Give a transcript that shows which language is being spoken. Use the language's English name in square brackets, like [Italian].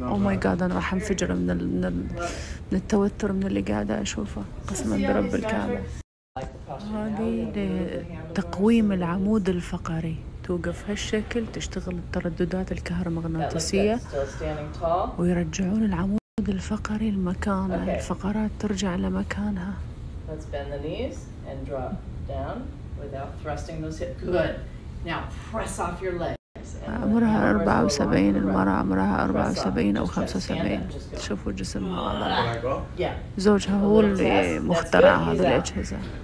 [English] oh my God, [Arabic] أنا راح انفجر من التوتر من اللي قاعدة أشوفه، قسما برب الكعبة. هذه تقويم العمود الفقري، توقف هالشكل، تشتغل الترددات الكهرومغناطيسية ويرجعون العمود الفقري لمكانه. Okay. الفقرات ترجع لمكانها. [English] Let's bend the knees and drop down without thrusting those hips. Good. Now press off your legs. [Arabic] عمرها 74 المرأة، عمرها 74 أو 75، تشوفوا جسمها هذا، زوجها هو اللي مخترع هذه الأجهزة.